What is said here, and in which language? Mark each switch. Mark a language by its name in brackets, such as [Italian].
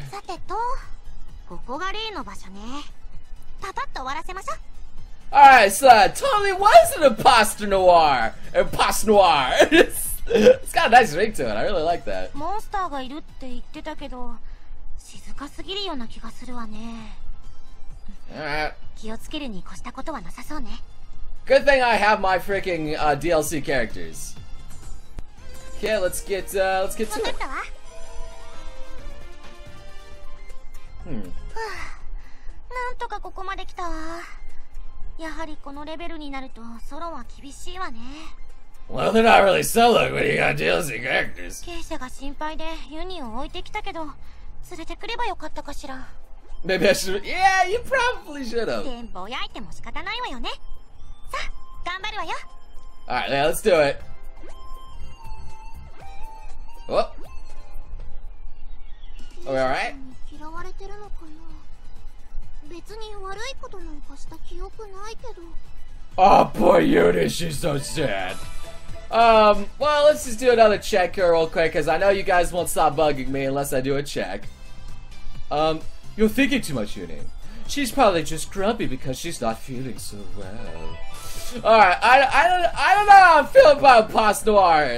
[Japanese] さてと、ここが例の場所ね。パパッと終わらせましょう。 [English] All right, so Tommy was an imposter noir. Imposter noir. It's got a nice ring to it. I really like that. [Japanese] モンスターがいるって言ってたけど、静かすぎるような気がするわね。気をつけるに越したことはなさそうね。 [English] Good thing I have my freaking DLC characters. Okay, let's get to it. [Japanese] わかったわ。はあ、なんとかここまで来たわ。やはりこのレベルになるとソロは厳しいわね。 [English] Well, they're not really solo when you got DLC characters. [Japanese] ケイシャが心配でユニを置いてきたけど、連れてくればよかったかしら。 [English] Maybe I should. Yeah, you probably should have. [Japanese] でぼやいても仕方ないわよね。さあ、頑張るわよ。 [English] All right, yeah, let's do it. Oh. Are we all right? [Japanese] 嫌われてるのかな。別に悪いことなんかした記憶ないけど。 [English] Oh boy, Yuri, she's so sad. Well, let's just do another check here real quick, because I know you guys won't stop bugging me unless I do a check. You're thinking too much, Yuni. She's probably just grumpy because she's not feeling so well. Alright, I don't know how I'm feeling about Post Noir.